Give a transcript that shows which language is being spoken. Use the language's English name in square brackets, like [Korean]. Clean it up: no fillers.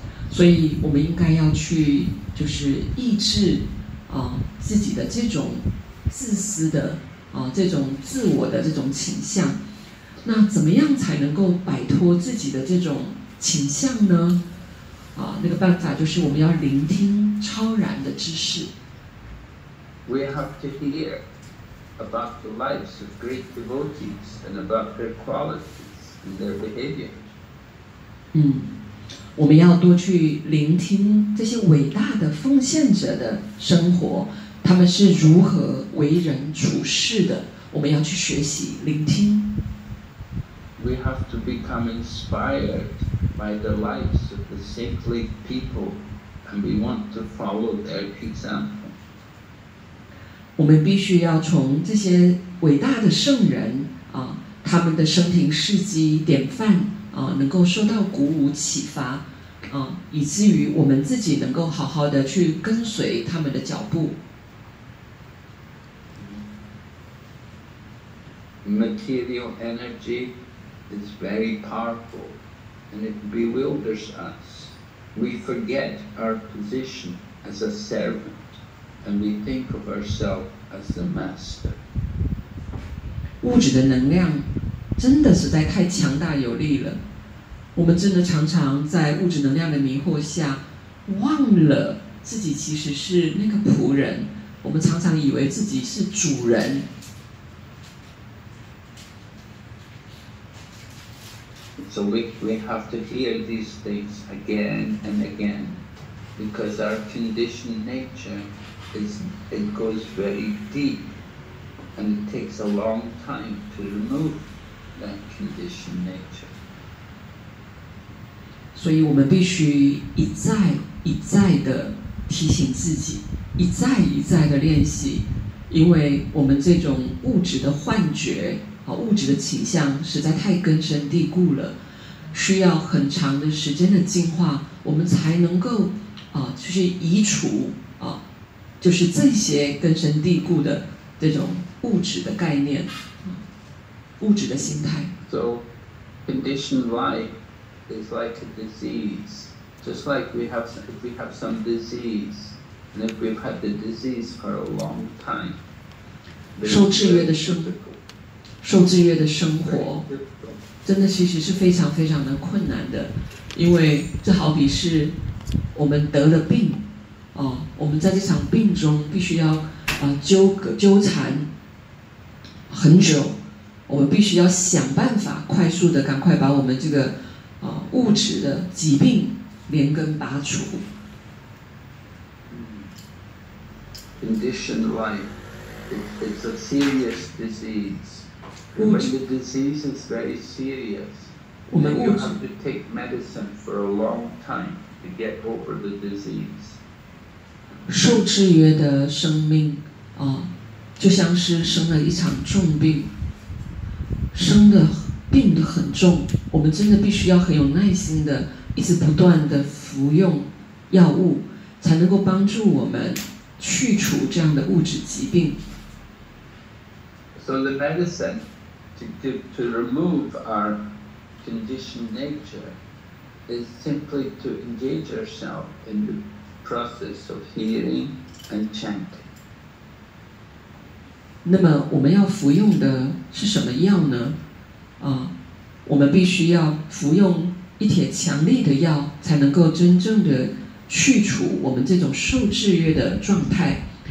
[Chinese] 所以我们应该要去就是抑制自己的这种自私的这种自我的这种倾向。那怎么样才能够摆脱自己的这种倾向呢？那个办法就是我们要聆听超然的知识。 [English] We have to hear about the lives of great devotees and about their qualities and their behavior. [Chinese] 我们要多去聆听这些伟大的奉献者的生活，他们是如何为人处事的，我们要去学习聆听。 [English] We have to become inspired by the lives of the saintly people, and we want to follow their example. [Chinese] 我们必须要从这些伟大的圣人他们的生平事迹典范能够受到鼓舞启发以至于我们自己能够好好的去跟随他们的脚步。 [English] Material energy is very powerful and it bewilders us. We forget our position as a servant and we think of ourselves as the master. [Chinese] 物质的能量真的实在太强大有力了，我们真的常常在物质能量的迷惑下忘了自己其实是那个仆人，我们常常以为自己是主人。 [English] So we have to hear these things again and again because our conditioned nature it goes very deep and it takes a long time to remove that conditioned nature. [Chinese] 所以我们必须一再一再的提醒自己，一再一再的练习，因为我们这种物质的幻觉，物质的倾向实在太根深蒂固了，需要很长的时间的净化，我们才能够就是移除就是这些根深蒂固的这种物质的概念，物质的心态。 [English] So, conditioned life is like a disease. Just like if we have some disease, and if we've had the disease for a long time, [Chinese] 受制约的生活，真的其实是非常非常的困难的，因为这好比是我们得了病，我们在这场病中必须要纠缠很久，我们必须要想办法快速的赶快把我们这个物质的疾病连根拔除。 [English] Conditioned life, it's a serious disease. When the disease is very serious, then you have to take medicine for a long time to get over the disease. [Chinese] 受制约的生命就像是生了一场重病，生的病得很重，我们真的必须要很有耐心的一直不断的服用药物，才能够帮助我们去除这样的物质疾病。 [English] So the medicine to remove our conditioned nature is simply to engage ourselves in the process of hearing and chanting. [Chinese] 那么我们要服用的是什么药呢？我们必须要服用一帖强力的药，才能够真正的去除我们这种受制约的状态。